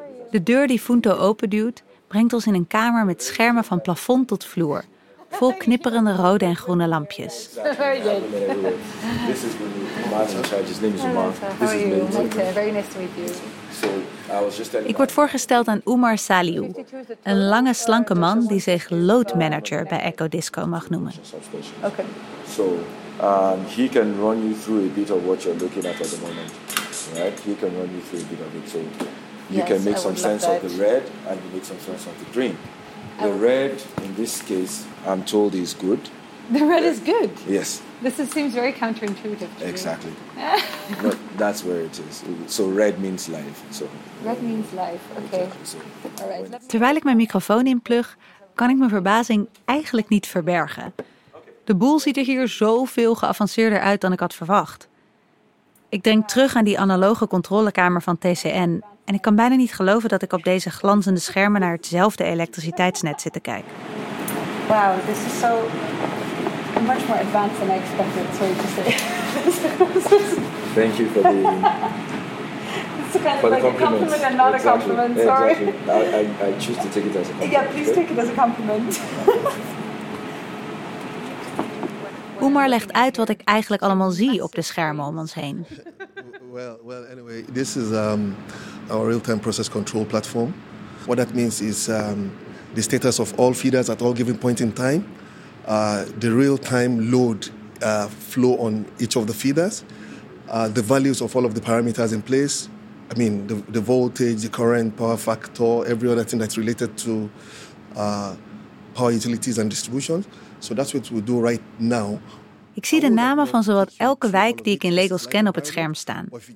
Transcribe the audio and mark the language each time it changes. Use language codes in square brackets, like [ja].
[nl] De deur die Funto openduwt, brengt ons in een kamer met schermen van plafond tot vloer, vol knipperende rode en groene lampjes. [en] Very good. This is Martin Charge. His name is Omar. This is Martin. Very nice to meet you. [nl] Ik word voorgesteld aan Umar Saliou, een lange, slanke man die zich load manager bij Echo Disco mag noemen. [en] Okay. So, he can run you through a bit of what you're looking at the moment, right? He can run you through a bit of it, so you can make some sense of the red and you make some sense of the green. The red, in this case, I'm told is good. The red is good. Yes. This seems very counterintuitive. Exactly. No, that's where it is. So red means life. So red means life. Okay. Exactly. So, all right. [nl] Terwijl ik mijn microfoon inplug, kan ik mijn verbazing eigenlijk niet verbergen. De boel ziet er hier zoveel geavanceerder uit dan ik had verwacht. Ik denk terug aan die analoge controlekamer van TCN en ik kan bijna niet geloven dat ik op deze glanzende schermen naar hetzelfde elektriciteitsnet zit te kijken. [en] Wow, this is so much more advanced than I expected, sorry to say. Thank you for the it's kind of like compliment. A compliment and not exactly. a compliment, sorry. Exactly. I choose to take it as a compliment. Yeah, please take it as a compliment. [nl] Umar legt uit wat ik eigenlijk allemaal zie op de schermen om ons heen. [en] Well, anyway, this is our real-time process control platform. What that means is the status of all feeders at all given point in time, the real-time load flow on each of the feeders, the values of all of the parameters in place, I mean, the voltage, the current, power factor, every other thing that's related to power utilities and distributions. So that's what we do right now. [nl] Ik zie de namen van zowat elke wijk die ik in Lagos ken op het scherm staan.